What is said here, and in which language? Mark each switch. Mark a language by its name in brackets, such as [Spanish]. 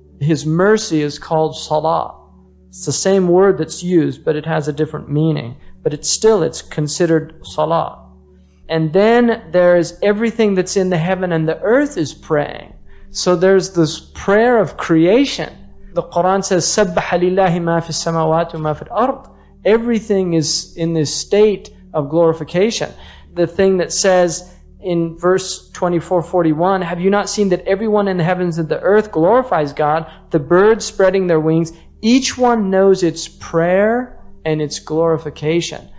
[English] His mercy is called salah. It's the same word that's used, but it has a different meaning. But it's considered salah. And then there is everything that's in the heaven and the earth is praying. So there's this prayer of creation. [Arabic] The Quran says, سَبَّحَ لِلَّهِ مَا فِي السَّمَوَاتِ وَمَا فِي الْأَرْضِ. [English] Everything is in this state of glorification. The thing that says, in verse 24:41, have you not seen that everyone in the heavens and the earth glorifies God, the birds spreading their wings? Each one knows its prayer and its glorification.